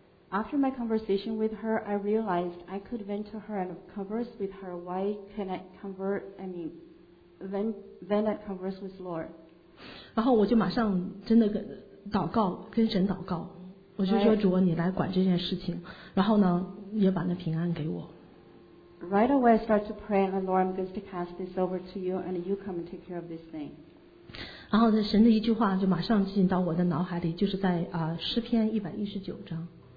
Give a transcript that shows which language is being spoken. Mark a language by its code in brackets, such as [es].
[en] ？After my conversation with her, I realized I could vent to her and converse with her. Why can't I vent and converse with Lord? [zh] 然后我就马上真的祷告，跟神祷告，我就说主啊，你来管这件事情，然后呢，也把那平安给我。 [en] Right away, I start to pray, and Lord, I'm going to cast this over to you, and you come and take care of this thing. [zh] 然后神的一句话就马上进到我的脑海里，就是在诗篇119章。